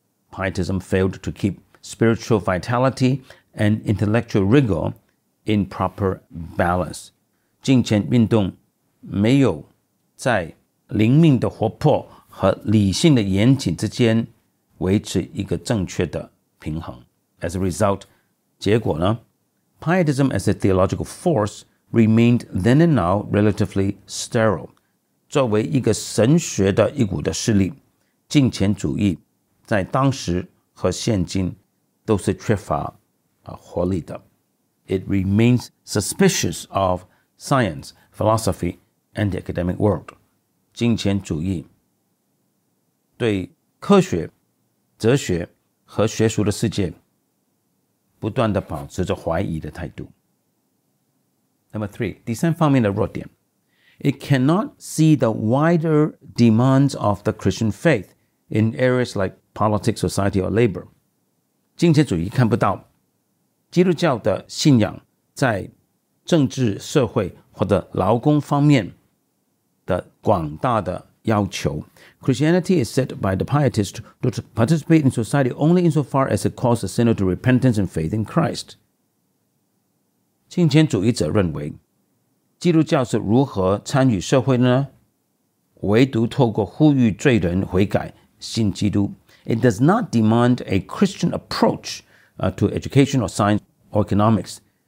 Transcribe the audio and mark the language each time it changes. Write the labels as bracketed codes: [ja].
[en] Pietism failed to keep spiritual vitality and intellectual rigor in proper balance. [zh] 敬虔运动没有在灵命的活泼和理性的严谨之间维持一个正确的平衡。 [en] As a result, [zh] 结果呢？ [en] Pietism as a theological force remained then and now relatively sterile. [zh] 作为一个神学的一股的势力，敬虔主义在当时和现今都是缺乏活力的。 [en] It remains suspicious of science, philosophy, and the academic world. [zh] 敬虔主义对科学、哲学和学术的世界不断地保持着怀疑的态度。 [en] Number three, [zh] 第三方面的弱点。 [en] It cannot see the wider demands of the Christian faith in areas like politics, society, or labor. [zh] 敬虔主义看不到基督教的信仰在政治、社会或者劳工方面的广大的要求。 [en] Christianity is said by the pietist to participate in society only insofar as it calls the sinner to repentance and faith in Christ. [zh] 敬虔主义者认为基督教是如何参与社会呢？唯独透过呼吁罪人悔改信基督。 [en] It does not demand a Christian approach to education or science or economics.